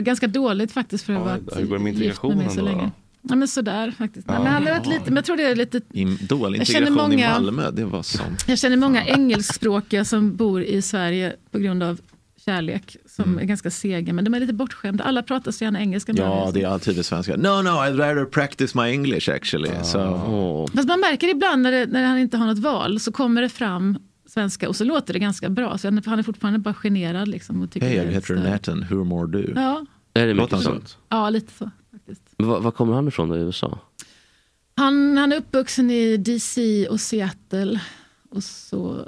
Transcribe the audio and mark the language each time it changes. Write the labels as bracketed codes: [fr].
[sv] Ganska dåligt faktiskt för att vara gift med mig så länge. Ja, men sådär faktiskt. Nej, men han har varit lite, men jag tror det är lite... Dålig integration många, i Malmö, det var sånt. Jag känner många engelskspråkiga som bor i Sverige på grund av kärlek, som är ganska seger, men de är lite bortskämda. Alla pratar så gärna engelska. Ja, det är alltid det svenska. [en] No, I'd rather practice my English actually. Oh. So. [sv] Fast man märker ibland när han inte har något val så kommer det fram svenska och så låter det ganska bra. Så han är fortfarande bara generad. Liksom, hej, jag heter Nathan, hur mår du? Ja. Är det mycket sånt? Ja, lite så. Faktiskt. Men var kommer han ifrån då i USA? Han är uppvuxen i DC och Seattle och så...